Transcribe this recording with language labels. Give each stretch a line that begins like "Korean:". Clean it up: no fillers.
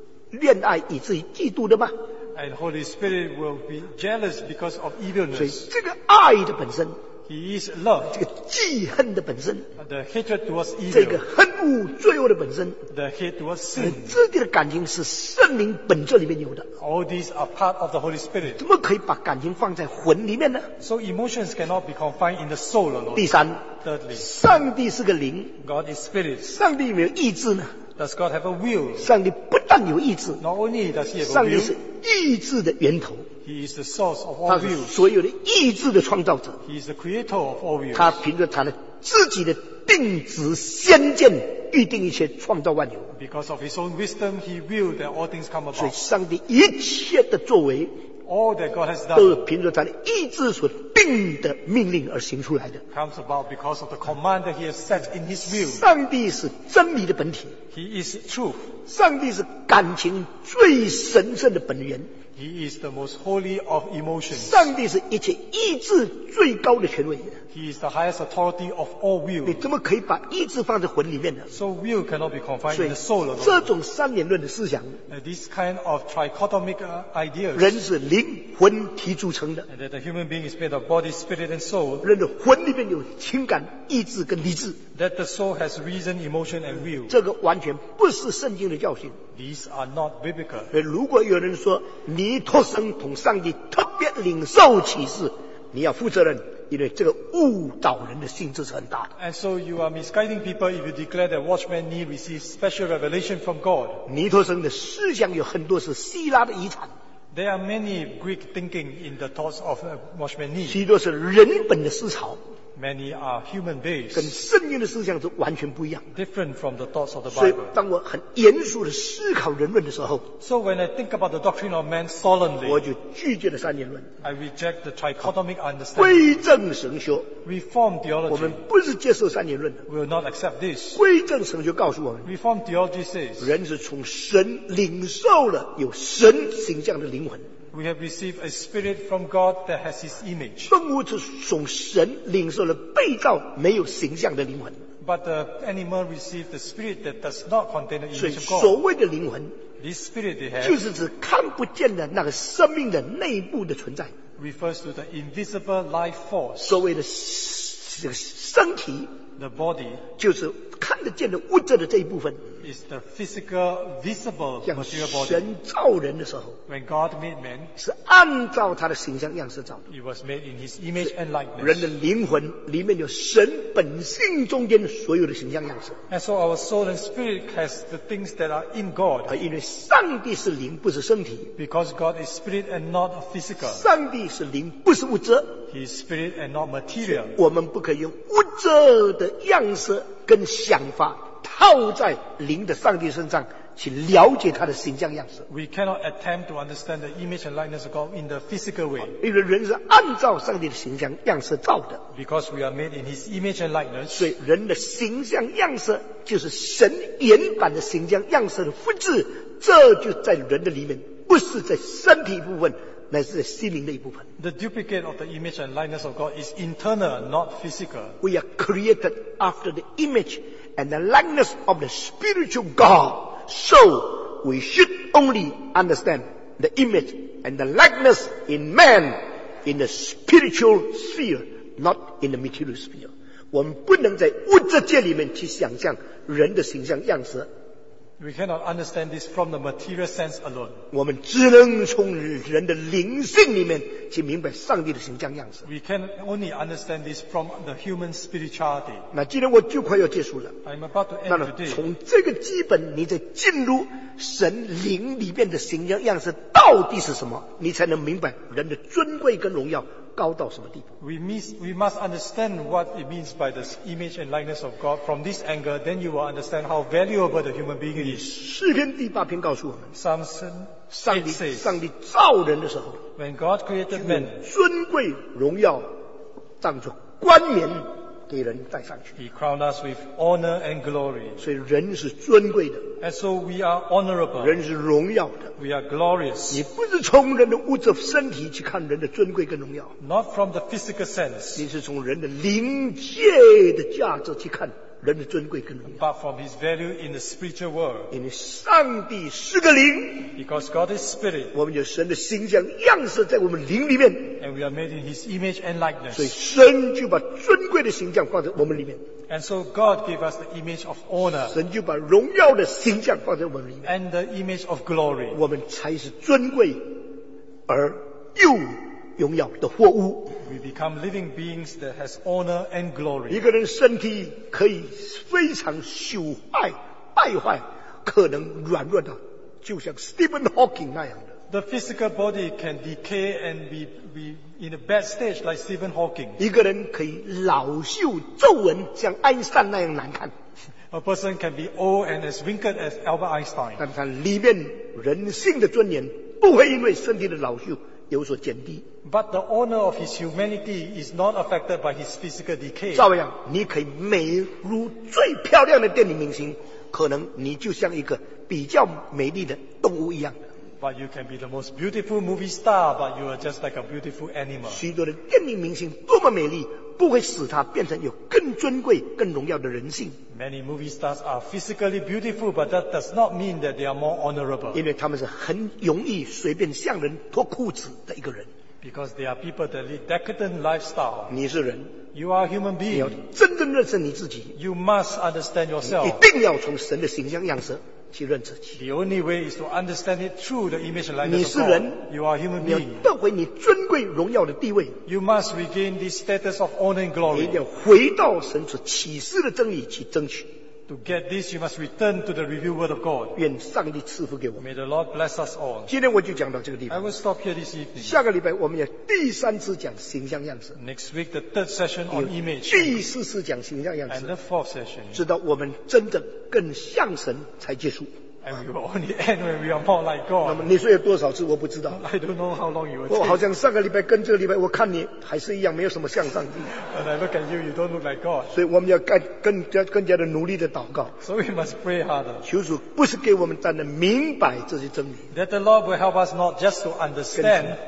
Chinese: 圣灵岂不是恋爱以至于嫉妒的吗?
English: And Holy Spirit will be jealous because of evilness.
Chinese: 所以这个爱的本身,
English: He is love.
Chinese: 这个记恨的本身。
English: The hatred towards evil.
Chinese: 这个恨恶罪恶的本身。
English: The hate towards sin.
Chinese: 这些的感情是圣灵本质里面有的。
English: All these are part of the Holy Spirit.
Chinese: 怎么可以把感情放在魂里面呢？
English: So emotions cannot be confined in the soul alone.
Chinese: 第三。
English: Thirdly.
Chinese: 上帝是个灵。
English: God is spirit.
Chinese: 上帝有没有意志呢？
English: Does God have a will?
Chinese: 上帝不但有意志，
English: Not only does he have a will,
Chinese: 上帝是意志的源头，
English: He is the source of all will.
Chinese: 所有的意志的创造者，
English: He is the creator of all will.
Chinese: 他凭着他的自己的定旨先见预定一切创造万有，
English: Because of his own wisdom, he willed that all things come about.
Chinese: 所以上帝一切的作为，
English: All that God has done,
Chinese: 都是凭着他的意志所定的命令而行出来的，
English: comes about because of the command that he has set in his will.
Chinese: 上帝是真理的本体，
English: He is truth.
Chinese: 上帝是感情最神圣的本源。
English: He is the most holy of emotions.
Chinese: 上帝是一切意志最高的权威。
English: He is the highest authority of all will.
Chinese: 你怎么可以把意志放在魂里面呢？
English: So will cannot be confined in the soul alone.
Chinese: 这种三元论的思想，
English: This kind of trichotomic ideas.
Chinese: 人是灵魂体组成的。
English: And that the human being is made of body, spirit, and soul.
Chinese: 人的魂里面有情感、意志跟理智。
English: That the soul has reason, emotion, and will.
Chinese: 这个完全不是圣经的教训。
English: These are not biblical.
Chinese: 如果有人说你托生同上帝特别领受启示，你要负责任。因为这个误导人的心智是很大的。
English: And so you are misguiding people if you declare that Watchman Nee receives special revelation from God.
Chinese: 尼托生的思想有很多是希腊的遗产。
English: There are many Greek thinking in the thoughts of Watchman Nee.
Chinese: 许多是人本的思潮。
English: Many are human based.
Chinese: 跟圣经的思想是完全不一样。
English: Different from the thoughts of the Bible.
Chinese: 所以当我很严肃的思考人论的时候，
English: So when I think about the doctrine of man solemnly,
Chinese: 我就拒绝了三元论。
English: I reject the trichotomic understanding.
Chinese: 归正神学。
English: Reform theology.
Chinese: 我们不是接受三元论的。
English: We will not accept this.
Chinese: 归正神学告诉我们，
English: Reform theology says,
Chinese: 人是从神领受了有神形象的灵魂。
English: We have received a spirit from God that has His image.
Chinese: 动物是从神领受了被造没有形象的灵魂。
English: But the animal received the spirit that does not contain the image of God.
Chinese: 所谓的灵魂，
English: this spirit they have,
Chinese: 就是指看不见的那个生命的内部的存在。
English: Refers to the invisible life force.
Chinese: 所谓的身体，
English: the body,
Chinese: 就是看得见的物质的这一部分。
English: Is the physical visible material body?
Chinese: 神造人的时候，
English: when God made man,
Chinese: 是按照他的形象样式造的。
English: It was made in His image and likeness.
Chinese: 人的灵魂里面有神本性中间所有的形象样式。
English: And so our soul and spirit has the things that are in God.
Chinese: 因为上帝是灵，不是身体。
English: Because God is spirit and not physical.
Chinese: 上帝是灵，不是物质。
English: He is spirit and not material.
Chinese: 我们不可以用物质的样式跟想法套在灵的上帝身上，去了解他的形象样式。
English: We cannot attempt to understand the image and likeness of God in the physical way.
Chinese: 因为人是按照上帝的形象样式造的。
English: Because we are made in His image and likeness.
Chinese: 所以人的形象样式就是神原版的形象样式的复制，这就在人的里面，不是在身体部分。乃是心灵的一部分。
English: The duplicate of the image and likeness of God is internal, not physical. We are created after the image and the likeness of the spiritual God. So we should only understand the image and the likeness in man in the spiritual sphere, not in the material sphere.
Chinese: 我们不能在物质界里面去想象人的形象样式。
English: We cannot understand this from the material sense alone.
Chinese: 我们只能从人的灵性里面去明白上帝的形象样式。
English: We can only understand this from the human spirituality.
Chinese: 那今天我就快要结束了。
English: I'm about to end today.
Chinese: 那么从这个基本，你再进入神灵里面的形象样式到底是什么，你才能明白人的尊贵跟荣耀。高到什么地步？
English: We must understand what it means by the image and likeness of God. From this angle, then you will understand how valuable the human being is.
Chinese: 诗篇第八篇告诉我们，
English: Samson,
Chinese: 上帝造人的时候，
English: When God created man,
Chinese: 尊贵荣耀，当作冠冕给人戴上去。
English: He crowned us with honor and glory.
Chinese: 所以人是尊贵的。
English: And so we are honorable.
Chinese: 人是荣耀的。
English: We are glorious.
Chinese: 你不是从人的物质身体去看人的尊贵跟荣耀。
English: Not from the physical sense.
Chinese: 你是从人的灵界的价值去看人的尊贵更重要。
English: But from his value in the spiritual world.
Chinese: 因为上帝是个灵。
English: Because God is spirit.
Chinese: 我们有神的形象样式在我们灵里面。
English: And we are made in his image and likeness.
Chinese: 所以神就把尊贵的形象放在我们里面。
English: And so God gave us the image of honor.
Chinese: 神就把荣耀的形象放在我们里面。
English: And the image of glory.
Chinese: 我们才是尊贵而又荣耀的货物。
English: We become living beings that has honor and glory.
Chinese: 一个人身体可以非常朽坏、败坏，可能软弱的，就像 Stephen Hawking 那样的。
English: The physical body can decay and be in a bad stage like Stephen Hawking.
Chinese: 一个人可以老秀皱纹，像爱因斯坦那样难看。
English: A person can be old and as wrinkled as Albert Einstein.
Chinese: 但是里面人性的尊严不会因为身体的老秀有所减低。
English: But the honor of his humanity is not affected by his physical decay.
Chinese: 照样，你可以美如最漂亮的电影明星，可能你就像一个比较美丽的动物一样。
English: But you can be the most beautiful movie star, but you are just like a beautiful animal.
Chinese: 许多的电影明星多么美丽，不会使他变成有更尊贵、更荣耀的人性。
English: Many movie stars are physically beautiful, but that does not mean that they are more honorable.
Chinese: 因为他们是很容易随便向人脱裤子的一个人。
English: Because they are people that lead decadent lifestyle.
Chinese: 你是人。
English: You are human being.
Chinese: 你要真正认识你自己。
English: You must understand yourself.
Chinese: 你一定要从神的形象样式去认自己。
English: The only way is to understand it through the image and likeness.
Chinese: 你是人。
English: You are human being.
Chinese: 你要得回你尊贵荣耀的地位。
English: You must regain this status of honor and glory.
Chinese: 你一定要回到神所启示的真理去争取。
English: To get this, you must return to the revealed word of God.
Chinese: 愿上帝赐福给我们。
English: May the Lord bless us all.
Chinese: 今天我就讲到这个地方。
English: I will stop here this evening.
Chinese: 下个礼拜我们要第三次讲形象样式。
English: Next week, the third session on image.
Chinese: 第四次讲形象样式。
English: And the fourth session.
Chinese: 直到我们真的更像神才结束。
English: And we will only end when we are more like God.
Chinese: 那么你睡了多少次我不知道。
English: I don't know how long you will take.
Chinese: 我好像上个礼拜跟这个礼拜我看你还是一样没有什么像上帝。
English: When I look at you, you don't look like God.
Chinese: 所以我们要更加的努力的祷告。
English: So we must pray harder.
Chinese: 求主不是给我们单单明白这些真理。
English: That the Lord will help us not just to understand.